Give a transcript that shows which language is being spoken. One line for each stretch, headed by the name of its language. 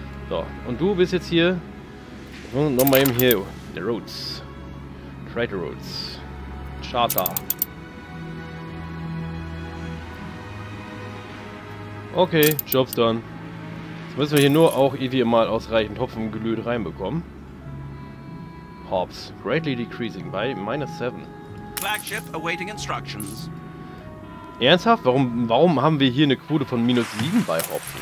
German: So. Und du bist jetzt hier. Nochmal eben hier. The Roots. Trade Routes. Charter.
English: Okay, Job's done.
German: Jetzt müssen wir hier nur auch irgendwie mal ausreichend Hopfenglöd reinbekommen.
English: Hops. Greatly decreasing by minus 7. Flagship awaiting instructions.
German: Ernsthaft? Warum haben wir hier eine Quote von minus 7 bei Hopfen?